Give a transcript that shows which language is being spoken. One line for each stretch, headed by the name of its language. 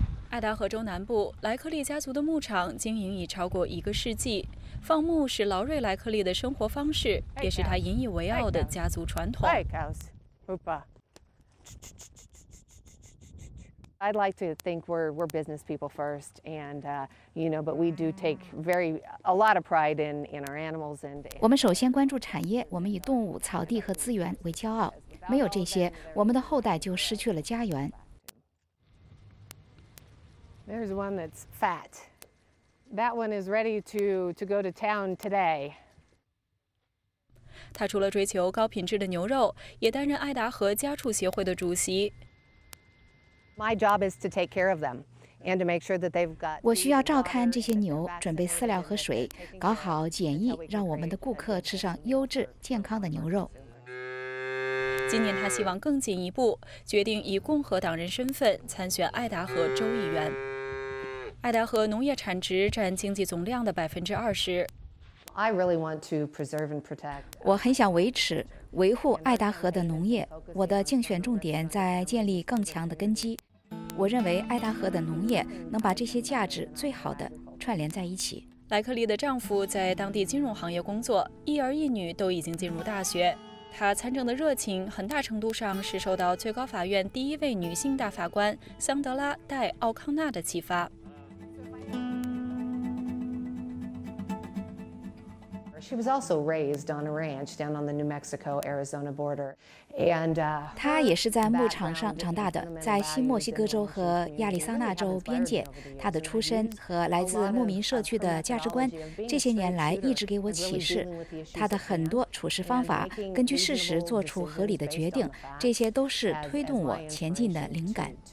Chinese: 爱达荷州南部莱克利家族的牧场经营已超过一个世纪，放牧是劳瑞莱克利的生活方式，也是他引以为傲的家族传统。
English: Hey cows, hoopa. I'd like to think we're business people first, and you know, but we do take a lot of pride in our animals. And
Chinese: 我们首先关注产业，我们以动物、草地和资源为骄傲。没有这些，我们的后代就失去了家园。
English: There's one that's fat. That one is ready to go to town today.
Chinese: 他除了追求高品质的牛肉，也担任爱达荷家畜协会的主席。
English: My job is to take care of them and to make sure that they've got.
Chinese: 我需要照看这些牛，准备饲料和水，搞好检疫，让我们的顾客吃上优质健康的牛肉。今年他希望更进一步，决定以共和党人身份参选爱达荷州议员。爱达荷农业产值占经济总量的20%。
English: I really want to preserve and protect.
Chinese: 我很想维持、维护爱达荷的农业。我的竞选重点在建立更强的根基。我认为爱达荷的农业能把这些价值最好的串联在一起。莱克利的丈夫在当地金融行业工作，一儿一女都已经进入大学。他参政的热情很大程度上是受到最高法院第一位女性大法官桑德拉·戴·奥康纳的启发。
English: She was also raised on a ranch down on the New Mexico-Arizona border, and
Chinese: 她也是在牧场上长大的，在新墨西哥州和亚利桑那州边界。她的出身和来自牧民社区的价值观，这些年来一直给我启示。她的很多处事方法，根据事实做出合理的决定，这些都是推动我前进的灵感。